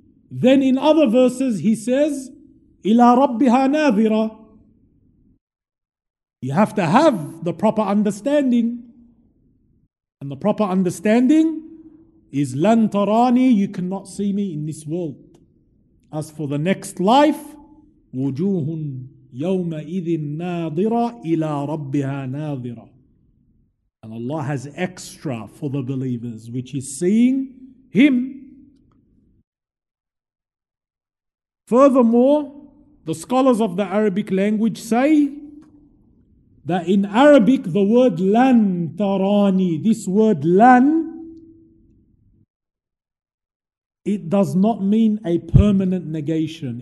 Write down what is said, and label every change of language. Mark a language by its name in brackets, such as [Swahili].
[English] Then in other verses He says, [Arabic] إِلَىٰ رَبِّهَا نَاظِرًا. [English] You have to have the proper understanding. And the proper understanding is [Arabic] لَن تَرَانِي, [English] you cannot see me in this world. As for the next life, [Arabic] وُجُوهٌ يَوْمَئِذٍ نَاظِرًا إِلَىٰ رَبِّهَا نَاظِرًا. [English] And Allah has extra for the believers, which is seeing Him. Furthermore, the scholars of the Arabic language say that in Arabic, the word lan tarani, this word lan, it does not mean a permanent negation.